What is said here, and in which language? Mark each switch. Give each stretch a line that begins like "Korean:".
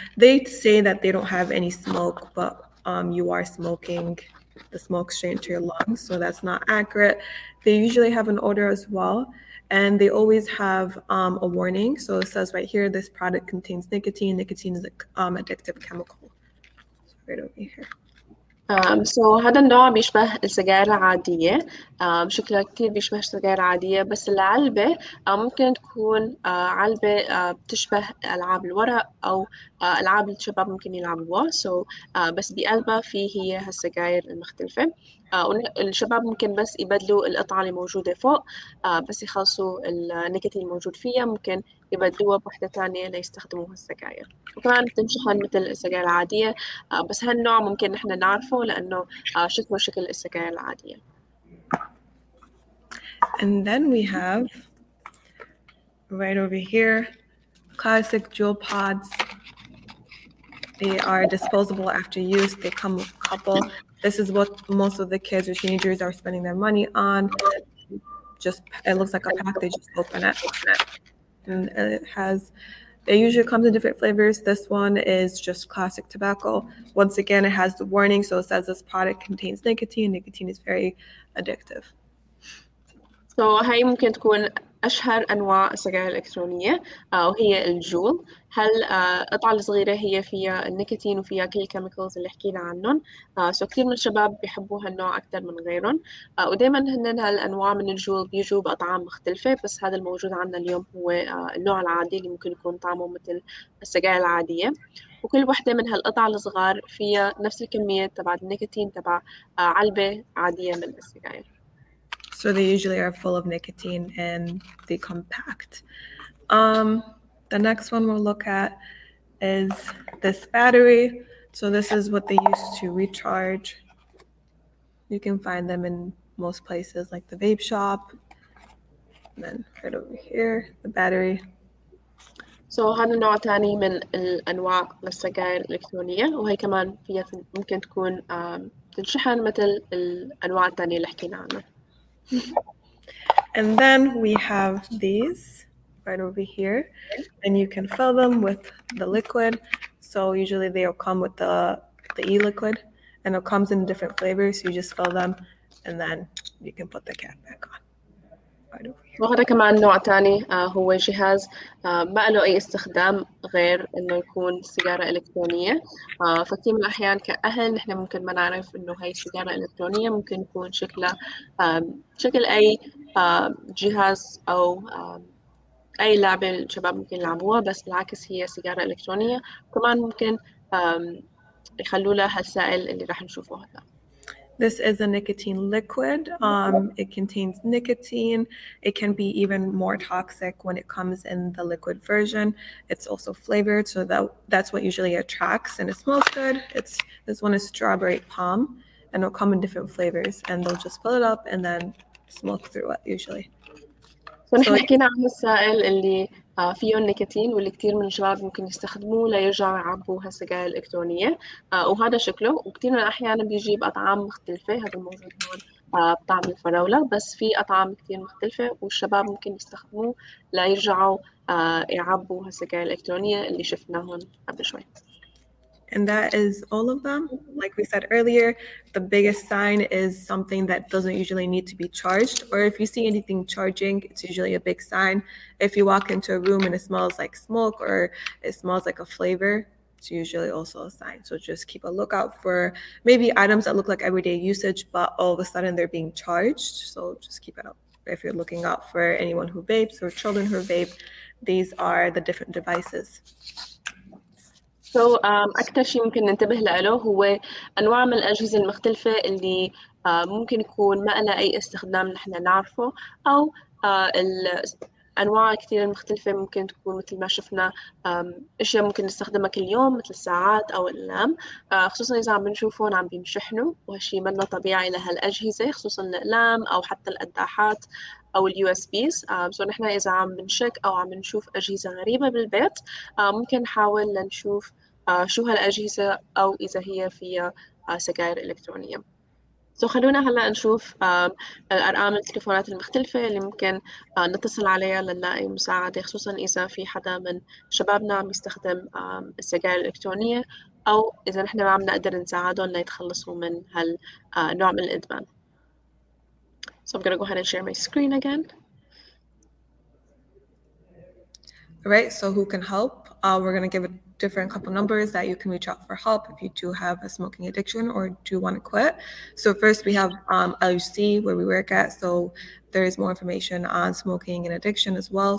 English: They say that they don't have any smoke, but you are smoking the smoke straight into your lungs, so that's not accurate. They usually have an odor as well, and they always have a warning. So it says right here, this product contains nicotine. Nicotine is an addictive chemical. So right over here.
Arabic: سو هذا النوع بيشبه السجائر العادية بشكل كتير بيشبه السجائر العادية بس العلبة ممكن تكون علبة بتشبه ألعاب الورق أو ألعاب الشباب ممكن يلعبوها سو بس بقلبها في هي هالسجائر المختلفة الشباب ممكن بس يبدلوا القطعة اللي موجودة فوق بس يخلصوا النيكوتين الموجود فيها ممكن يبدلوها بوحدة تانية ليستخدموا هالسجائر وكمان بتمشحن مثل السجائر العادية بس هالنوع ممكن نحن نعرفه لأنه شكله شكل السجائر العادية.
English: And then we have right over here classic jewel pods. They are disposable after use. They come with a couple. This is what most of the kids or teenagers are spending their money on. Just, it looks like a pack, they just open it. And it usually comes in different flavors. This one is just classic tobacco. Once again, it has the warning, so it says this product contains nicotine. Nicotine is very addictive.
Arabic: So هاي ممكن تكون أشهر أنواع السجائر الإلكترونية وهي الجول. هل القطعة الصغيرة هي فيها النيكوتين وفيها كل الكيميكلز اللي حكينا عنهم. So كثير من الشباب بيحبوا هالنوع أكثر من غيرهم. ودائما هنن هالأنواع من الجول بيجوا بأطعام مختلفة بس هذا الموجود عندنا اليوم هو النوع العادي اللي ممكن يكون طعمه مثل السجائر العادية. وكل واحدة من هالقطع الصغار فيها نفس الكمية تبع النيكوتين تبع علبة عادية من السجائر.
English: So they usually are full of nicotine and they come packed. The next one we'll look at is this battery. So this is what they use to recharge. You can find them in most places like the vape shop. And then right over here, the battery.
Arabic: So هذا النوع تاني من الأنواع للسجائر الإلكترونية وهي كمان فيها ممكن تكون تنشحن مثل الأنواع التانية اللي حكينا عنها.
English: And then we have these right over here, and you can fill them with the liquid. So usually they'll come with the e-liquid, and it comes in different flavors. So you just fill them, and then you can put the cap back on.
Arabic: وهذا كمان نوع تاني هو جهاز ما له أي استخدام غير إنه يكون سيجارة إلكترونية فكثير من الأحيان كأهل نحن ممكن ما نعرف إنه هاي سيجارة إلكترونية ممكن يكون شكلها شكل أي جهاز أو أي لعبة الشباب ممكن يلعبوها بس بالعكس هي سيجارة إلكترونية كمان ممكن يخلوا لها هالسائل اللي راح نشوفه هلا.
English: This is a nicotine liquid. It contains nicotine. It can be even more toxic when it comes in the liquid version. It's also flavored, so that's what usually attracts, and it smells good. This one is strawberry palm, and it'll come in different flavors, and they'll just fill it up and then smoke through it usually. So we're talking about the
Arabic: السائل اللي فيه النيكوتين واللي كتير من الشباب ممكن يستخدموه ليرجعوا يعبوا هالسجائر الإلكترونية وهذا شكله وكتير من الأحيان بيجيب أطعام مختلفة هذا الموجود هون بطعم الفراولة بس في أطعام كتير مختلفة والشباب ممكن يستخدموه ليرجعوا يعبوا هالسجائر الإلكترونية اللي شفناهن قبل شوي.
English: And that is all of them. Like we said earlier, the biggest sign is something that doesn't usually need to be charged. Or if you see anything charging, it's usually a big sign. If you walk into a room and it smells like smoke or it smells like a flavor, it's usually also a sign. So just keep a lookout for maybe items that look like everyday usage, but all of a sudden they're being charged. So just keep it up. If you're looking out for anyone who vapes or children who vape, these are the different devices.
Arabic: So أكثر شيء ممكن ننتبه له هو أنواع من الأجهزة المختلفة اللي ممكن يكون ما لها أي استخدام نحن نعرفه، أو أنواع كثير مختلفة ممكن تكون مثل ما شفنا أشياء ممكن نستخدمها كل يوم مثل الساعات أو الأقلام، خصوصا إذا عم بنشوفهم عم بينشحنوا، وهالشيء منه طبيعي لهالأجهزة، خصوصا الأقلام أو حتى القداحات أو الـ USBs. so نحن إذا عم بنشك أو عم بنشوف أجهزة غريبة بالبيت، ممكن نحاول لنشوف شو هالأجهزة أو إذا هي فيها سجائر إلكترونية. So خلونا هلا نشوف الأرقام التليفونات المختلفة اللي ممكن نتصل عليها لنلاقي مساعدة، خصوصا إذا في حدا من شبابنا عم يستخدم السجائر الإلكترونية، أو إذا نحن ما عم نقدر نساعدهم ليتخلصوا من هالنوع من الإدمان.
English: So I'm gonna go ahead and share my screen again. Right, so who can help? We're going to give a different couple numbers that you can reach out for help if you do have a smoking addiction or do want to quit. So first we have LUC where we work at. So there is more information on smoking and addiction as well.